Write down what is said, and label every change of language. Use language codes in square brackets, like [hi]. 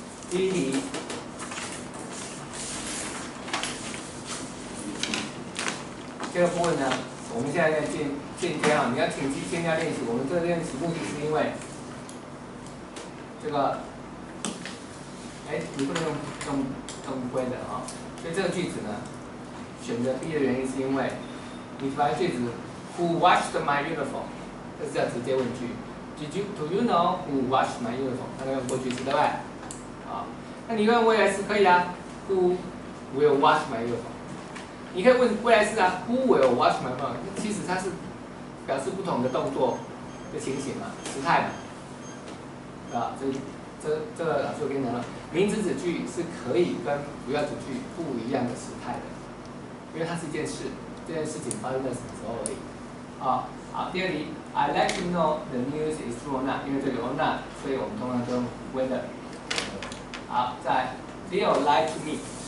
[zh] 第一题，这个部分呢，我们现在在进阶啊，你要请去参加练习。我们这个练习目的是因为这个，你不能用规则啊。所以这个句子呢，选择 B 的原因是因为你把句子 [en] Who washed my uniform？ [zh] 这是要直接问句。 [en] Do you know who washed my uniform？ [zh] 那个用过去式对吧？那你问未来式可以啊。 [en] Who will wash my uniform？ [zh] 你可以问未来式啊。 [en] Who will wash my uniform？ [zh] 其实它是表示不同的动作的情形嘛，时态嘛。啊，这个老师我跟你讲了，名词子句是可以跟主要子句不一样的时态的，因为它是一件事，这件事情发生在什么时候而已。好，第二题 ， [en] I let you know the news is true or not， [zh] 因为这里有 not， 所以我们通常都用 whether。好，再来 [en] ，Leo lied to me。